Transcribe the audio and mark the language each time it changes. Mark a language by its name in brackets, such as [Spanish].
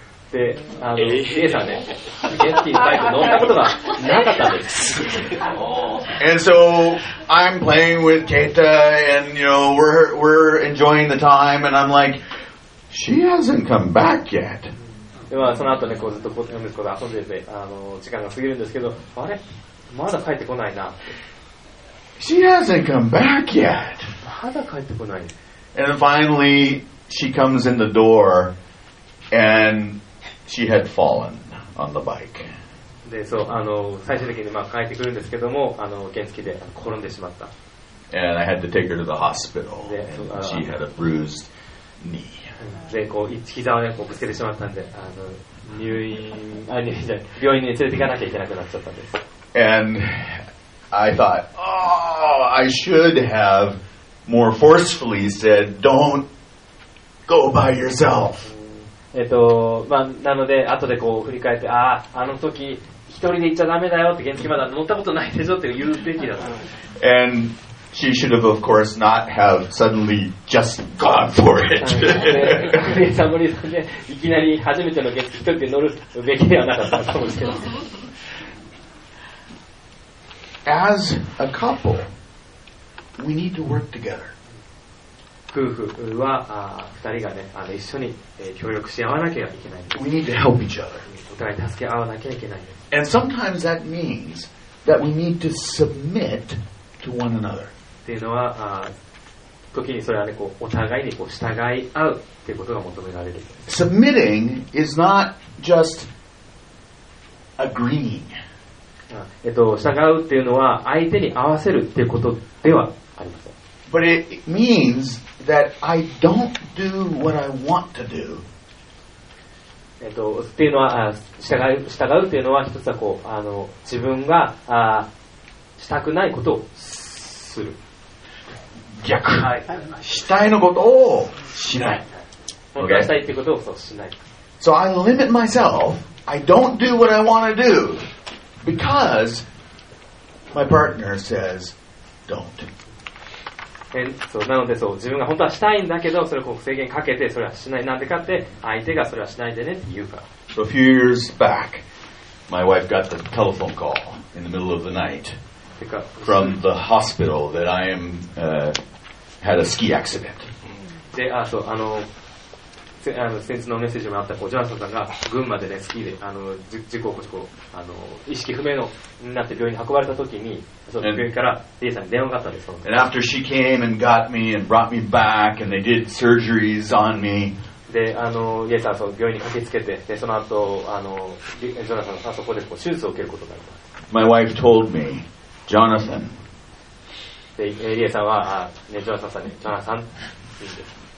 [Japanese] で、リエさんね、原付きバイク乗ったことがなかったんです。 [English] And so I'm playing with Keita, and you know we're enjoying the time, and I'm like, she hasn't come back yet. [Japanese] で、まあ、その後ね、こうずっと息子と遊んでて、時間が過ぎるんですけど、あれ、まだ帰ってこないな。 [English] She hasn't come back yet. [Japanese] まだ帰ってこない。 [English] And finally, she comes in the door, and she had fallen on the bike. [Japanese] でそうあの最終的に、まあ、帰ってくるんですけども、あの原付で転んでしまった。 [English] And I had to take her to the hospital. And she had a bruised knee. [Japanese] でこう膝を、ね、こうぶつけてしまったんで、あの入院、あ、入院じゃない、病院に連れて行かなきゃいけなくなっちゃったんです。 [English] And I thought, oh, I should have more forcefully said, don't go by yourself. [Japanese] まあ、なので後でこう振り返って、ああ、あの時一人で行っちゃダメだよって原付まだ乗ったことないでしょって言うべきだな。 [English] And she should have, of course, not have suddenly just gone for it. [Japanese] さん、森さんね、いきなり初めての原付一人で乗るべきではなかったかもしれません。 [English] As a couple, we need to work together. [Japanese] 夫婦は二人がね、一緒に協力し合わなきゃいけない。 [English] We need to help each other. [Japanese] お互い助け合わなきゃいけない。 [English] And sometimes that means that we need to submit to one another. [Japanese] っていうのは、時にそれはね、こうお互いにこう従い合うっていうことが求められる。 [English] Submitting is not just agreeing. [Japanese] 従うっていうのは相手に合わせるっていうことではありません。 [English] But it means that I don't do what I want to do. [Japanese] っていうのは従うっていうのは一つはこう自分がしたくないことをする。逆。はい。したいのことをしない。本当はしたいっていうことをそうしない。 [English] So I limit myself. I don't do what I want to do. Because my partner says, don't. And so, [Japanese] なのでそう自分が本当はしたいんだけどそれをこう制限かけてそれはしないなんでかって相手がそれはしないでねって言うから。 [English] So a few years back, my wife got the telephone call in the middle of the night from the hospital that I am, had a ski accident. [Japanese] で、あ、そう、あの、あの先日のメッセージもあったこうジョナサンさんが群馬で、ね、スキーであの事故を起こしてこうあの意識不明のになって病院に運ばれた時にその病院からリエさんに電話があったんです。その [English] And after she came and got me and brought me back and they did surgeries on me [Japanese] であのリエさんはその病院に駆けつけてでその後あのジョナサンさんそこでこう手術を受けることになります。 [English] My wife told me Jonathan [Japanese] でリエさんは、ね、ジョナサンさんにジョナサンって言うんです。